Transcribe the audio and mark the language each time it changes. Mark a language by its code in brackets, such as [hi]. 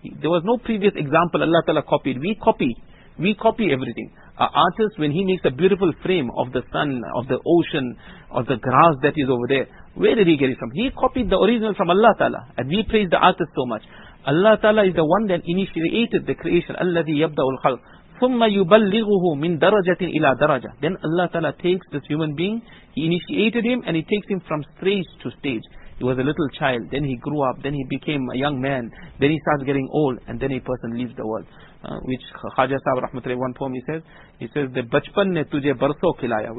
[en] There was no previous example Allah Ta'ala copied. We copy everything. An artist, when he makes a beautiful frame of the sun, of the ocean, of the grass that is over there, where did he get it from? He copied the original from Allah Ta'ala, and we praise the artist so much. Allah Ta'ala is the one that initiated the creation. [ar] الذي يبدأ الخلق ثم يبلغه من درجة إلى درجة. [en] Then Allah Ta'ala takes this human being, he initiated him, and he takes him from stage to stage. He was a little child, then he grew up, then he became a young man, then he starts getting old, and then a person leaves the world. Which Khaja Sahib Rahmatullah, one poem he says, the [ur] bachpan ne tujhe barso khilaya.